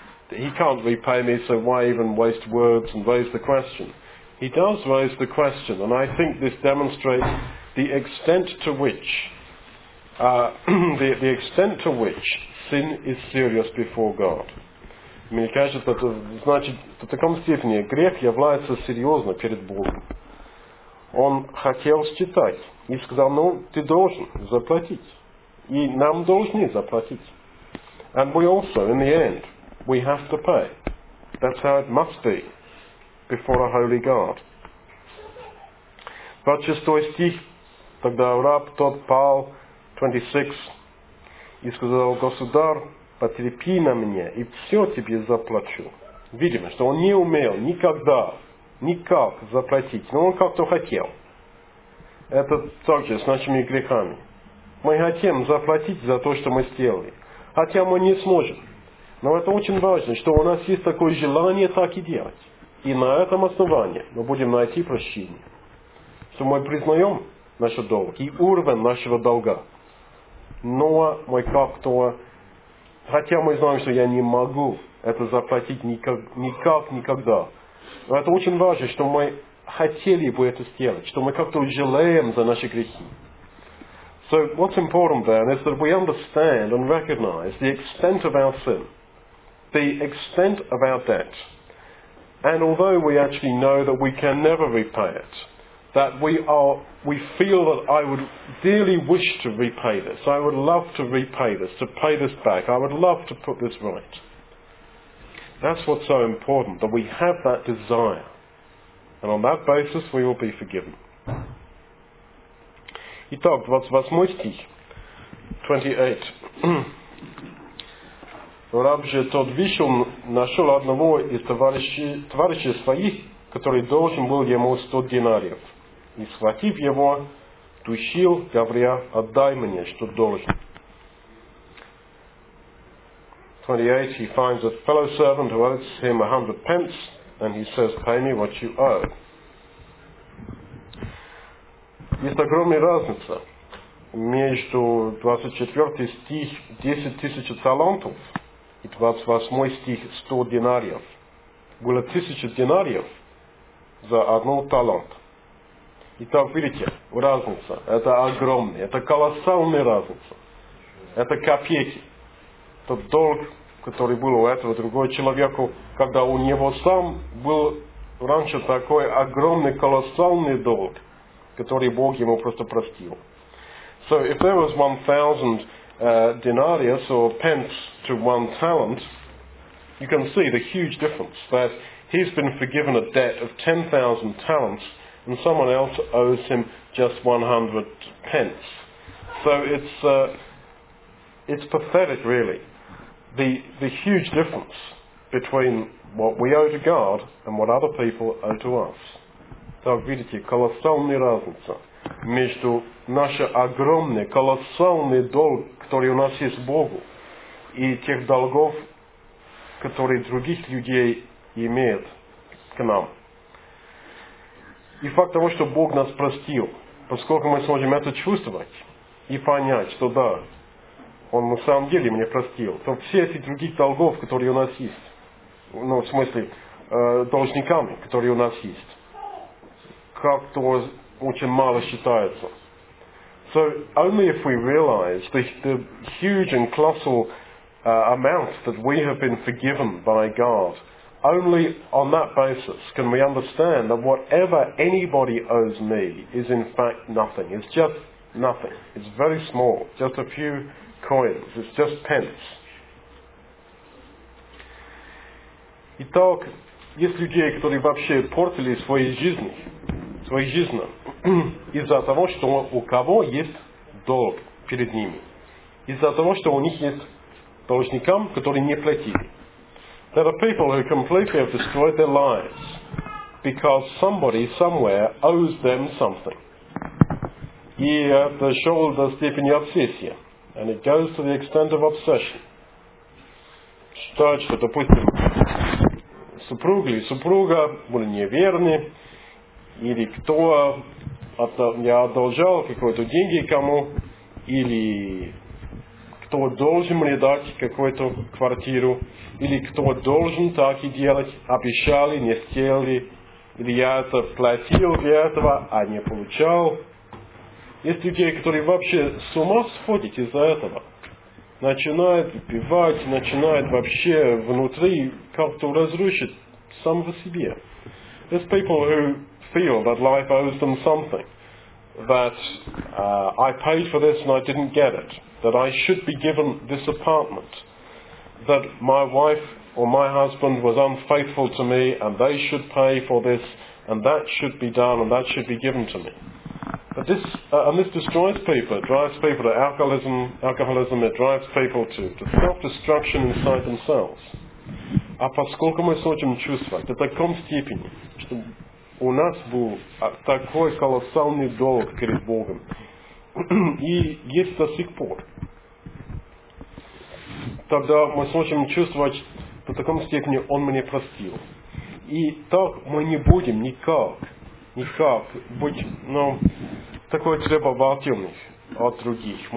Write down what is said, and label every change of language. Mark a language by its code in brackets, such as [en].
[en] He can't repay me, so why even waste words and raise the question? He does raise the question, and I think this demonstrates the extent to which the extent to which sin is serious before God. [ru] Мне кажется, это значит, в таком степени грех является серьезным перед Богом. Он хотел считать и сказал, ну, ты должен заплатить. И нам должны заплатить. [en] And we also, in the end, we have to pay. That's how it must be before a holy God. [ru] 26 стих, тогда раб тот пал, 26, и сказал, Государь, потерпи на мне, и все тебе заплачу. Видимо, что он не умел никогда, никак заплатить, но он как-то хотел. Это также с нашими грехами. Мы хотим заплатить за то, что мы сделали. Хотя мы не сможем. Но это очень важно, что у нас есть такое желание так и делать. И на этом основании мы будем найти прощение. Что мы признаем наш долг и уровень нашего долга. Но мы как-то... Хотя мы знаем, что я не могу это заплатить никогда. Но это очень важно, что мы хотели бы это сделать, что мы как-то жалеем за наши грехи. [en] So what's important then is that we understand and recognize the extent of our sin, the extent of our debt. And although we actually know that we can never repay it, that we feel that I would dearly wish to repay this. I would love to repay this, to pay this back. I would love to put this right. That's what's so important, that we have that desire. And on that basis, we will be forgiven. [ru] Итак, 28 стих. 28. Раб же тот вышел, нашел одного из товарищей своих, который должен был ему 100 динариев. И схватив его, тушил, говоря, отдай мне, что должен. [en] 28, he finds a fellow servant who owes him 100 pence, and he says, pay me what you owe. [ru] Есть огромная разница между 24 стих 10 тысяч талантов и 28 стих 100 динариев. Было 1000 динариев за одну талант. Итак, видите, разница. Это огромная, это колоссальная разница. Это копейки. Тот долг, который был у этого другого человека, когда у него сам был раньше такой огромный, колоссальный долг, который Бог ему просто простил. [en] So if there was 1,000 denarius or pence to one talent, you can see the huge difference that he's been forgiven a debt of 10,000 talents and someone else owes him just 100 pence. So it's pathetic, really, the huge difference between what we owe to God and what other people owe to us. [ru] Так, видите, колоссальная разница между нашим огромным, колоссальным долгом, который у нас есть Богу, и тех долгов, которые других людей имеют к нам. И факт того, что Бог нас простил, поскольку мы сможем это чувствовать и понять, что да, Он на самом деле меня простил, то все эти другие долгов, которые у нас есть, ну, в смысле, должниками, которые у нас есть, как-то очень мало считается. [en] So only if we realize the huge and colossal amount that we have been forgiven by God, only on that basis can we understand that whatever anybody owes me is in fact nothing. It's just nothing. It's very small. Just a few coins. It's just pence. [ru] Итак, есть людей, которые вообще портили свои жизни. Своей жизни из-за того, что у кого есть долг перед ними. Из-за того, что у них есть должникам, которые не платили. [en] There are people who completely have destroyed their lives because somebody somewhere owes them something. [ru] И это шел до степени обсессии. [en] And it goes to the extent of obsession. [ru] считать, что, допустим, супруг или супруга были неверны, или кто я одолжал какие-то деньги кому, или кто должен мне дать какую-то квартиру, или кто должен так и делать, обещали, не сделали, или я это платил для этого, а не получал. Есть люди, которые вообще с ума сходят из-за этого. Начинают выпивать, начинают вообще внутри как-то разрушить самого себя. [en] There's people who feel that life owes them something. That I paid for this and I didn't get it. That I should be given this apartment. That my wife or my husband was unfaithful to me and they should pay for this and that should be done and that should be given to me. But this and this destroys people. It drives people to alcoholism. It drives people to self-destruction inside themselves. [ru] А поскольку мы сможем чувствовать до такой степени, что у нас был такой колоссальный долг перед Богом, и есть до сих пор, тогда мы сможем чувствовать до такой степени, Он меня простил, и так мы не будем никак быть, ну, такой требовательный от других.